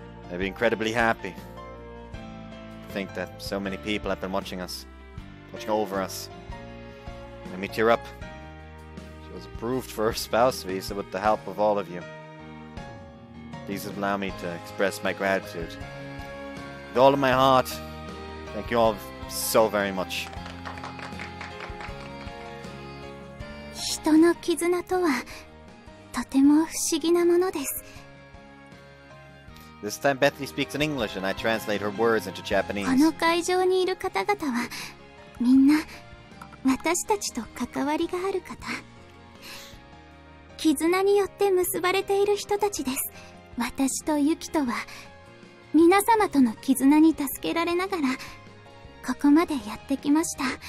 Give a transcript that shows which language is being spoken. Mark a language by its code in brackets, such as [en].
[en] I'd be incredibly happy to think that so many people have been watching over us. Let me tear up. She was approved for her spouse visa with the help of all of you. Please allow me to express my gratitude. With all of my heart, thank you all so very much. [ja] 人の絆とはとても不思議なものです。 [en] This time Bethly speaks in English and I translate her words into Japanese. [ja] この会場にいる方々はみんな私たちと関わりがある方。絆によって結ばれている人たちです。私とユキトは皆様との絆に助けられながらここまでやってきました。